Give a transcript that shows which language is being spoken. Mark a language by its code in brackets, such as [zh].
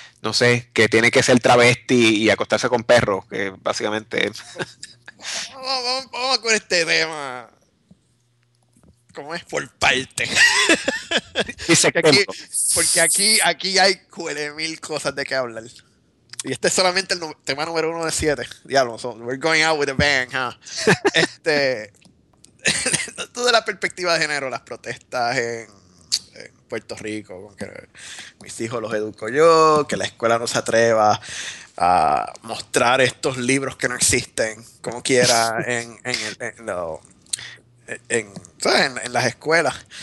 [es] No sé, que tiene que ser travesti y acostarse con perros, que básicamente... Vamos con este tema. ¿Cómo es? Por parte. Porque aquí hay mil cosas de qué hablar. Y este es solamente el tema número 1 de 7. [en] Diablo, so we're going out with a bang, huh? [es] Tú de la perspectiva de género, las protestas en Puerto Rico, con que mis hijos los educo yo, que la escuela no se atreva a mostrar estos libros que no existen como quiera en las escuelas.